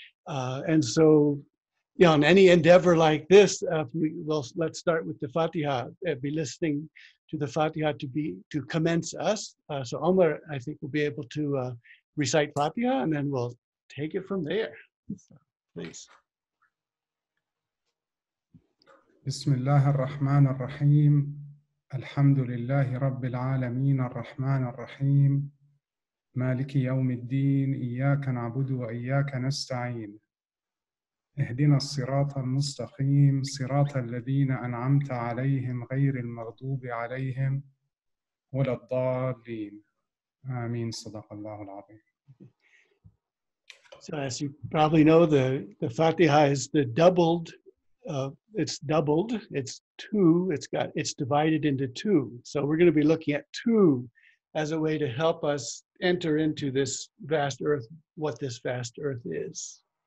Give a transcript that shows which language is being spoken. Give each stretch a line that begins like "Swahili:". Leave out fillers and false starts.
English: And so, you know, in any endeavor like this, let's start with the Fatiha. Be listening to the Fatiha to commence us. So Omar, I think, will be able to recite Fatiha, and then we'll take it from there. So, please.
Arabic: بسم الله الرحمن الرحيم الحمد لله رب العالمين الرحمن الرحيم مالك يوم الدين إياك نعبد وإياك نستعين اهدنا الصراط المستقيم صراط الذين أنعمت عليهم غير المغضوب عليهم ولا الضالين آمين صدق الله العظيم.
English: So as you probably know, the Fatiha is the doubled it's divided into two. So we're going to be looking at two as a way to help us enter into this vast earth, what this vast earth is.